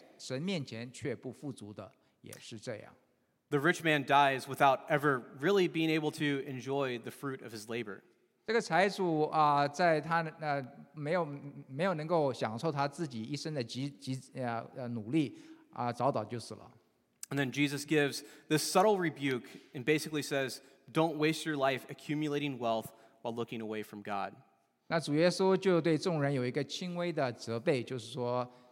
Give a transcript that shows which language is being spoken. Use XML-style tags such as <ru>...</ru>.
<zh>这里说，神却对他说，无知的人啊，今夜必要你的灵魂，你所预备的要归谁呢？凡为自己积财，在神面前却不富足的。</zh> <en>The rich man dies without ever really being able to enjoy the fruit of his labor.</en> <zh>这个财主在他没有能够享受他自己一生的努力，早早就死了。</zh> <en>And then Jesus gives this subtle rebuke and basically says, "Don't waste your life accumulating wealth while looking away from God."</en> <zh>那主耶稣就对众人有一个轻微的责备，就是说。</zh>